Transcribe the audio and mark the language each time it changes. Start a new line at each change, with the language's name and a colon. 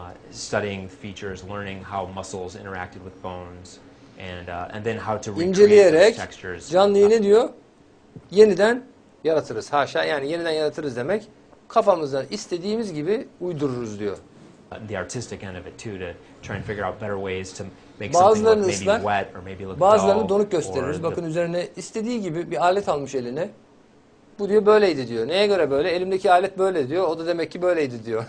English: Studying features, learning how muscles interacted with bones, and then how to recreate textures.
Turkish: Canlıyı ne diyor? Yeniden yaratırız. Haşa, yani yeniden yaratırız demek, kafamızdan istediğimiz gibi uydururuz diyor.
English: The artistic end of it too, to try and figure out better ways to make something look maybe wet or maybe look dull.
Turkish: Bazılarını donuk gösteririz. Bakın üzerine istediği gibi bir alet almış eline. Bu diyor böyleydi diyor. Neye göre böyle? Elimdeki alet böyle diyor. O da demek ki böyleydi diyor.